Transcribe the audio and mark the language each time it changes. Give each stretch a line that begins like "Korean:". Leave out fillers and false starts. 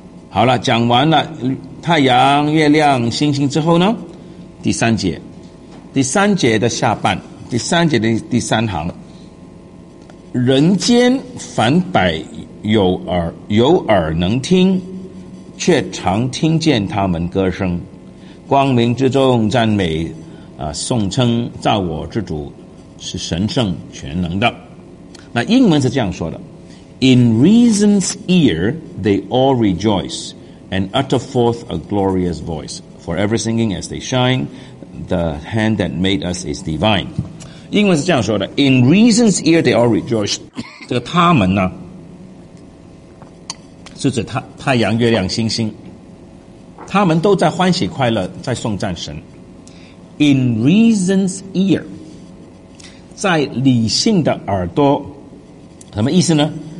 Chinese: 好了，讲完了太阳、月亮、星星之后呢，第三节的下半，第三节的第三行，人间凡百有耳能听，却常听见他们歌声，光明之中赞美颂称造我之主是神圣全能的。那英文是这样说的，
English: In reason's ear they all rejoice and utter forth a glorious voice, forever singing as they shine, the hand that made us is divine。
Chinese: 英文是这样说的，
English: In reason's ear they all rejoice。
Chinese: 这个他们呢是指太阳、月亮、星星，他们都在欢喜快乐，在颂赞神。
English: In reason's ear，
Chinese: 在理性的耳朵，什么意思呢？